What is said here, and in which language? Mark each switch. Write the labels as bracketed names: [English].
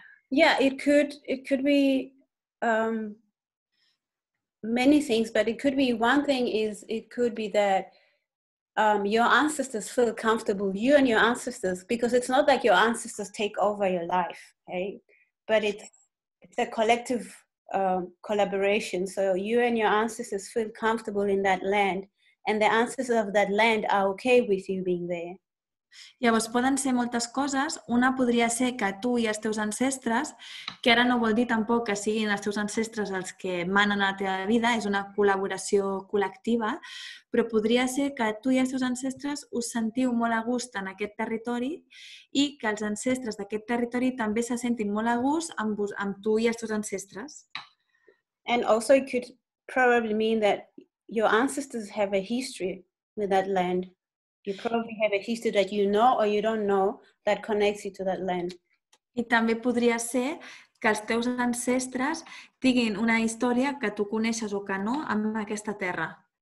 [English] Yeah, it could be many things, but it could be one thing is it could be that your ancestors feel comfortable, you and your ancestors, because it's not like your ancestors take over your life, okay? But it's a collective collaboration. So you and your ancestors feel comfortable in that land, and the ancestors of that land are okay with you being there. [Catalan] Llavors, poden ser moltes coses. Una podria ser que tu i els teus ancestres, que ara no vol dir tampoc que siguin els teus ancestres els que manen a la teva vida, és una col·laboració col·lectiva, però podria ser que tu i els teus ancestres us sentiu molt a gust en aquest territori i que els ancestres d'aquest territori també se sentin molt a gust amb tu i els teus ancestres. [English] And also it could probably mean that your ancestors have a history with that land. You probably have a history that you know or you don't know that connects you to that land. [Catalan] I també podria ser que els teus ancestres tinguin una història que tu coneixes o que no amb aquesta terra.